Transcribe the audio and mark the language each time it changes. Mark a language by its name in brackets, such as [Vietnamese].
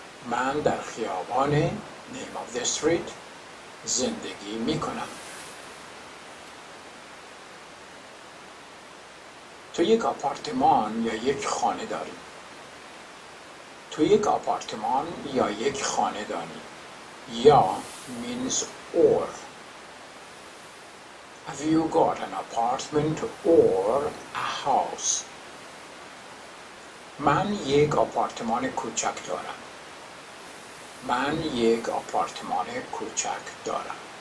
[Persian] من در خیابان [English] name of the street [Persian] زندگی میکنم. تو یک آپارتمان یا یک خانه داری؟ تو یک آپارتمان یا یک خانه داری؟ یا [English] means or. Have you got an apartment or a house? [Persian] من یک آپارتمان کوچک دارم. من یک آپارتمان کوچک دارم.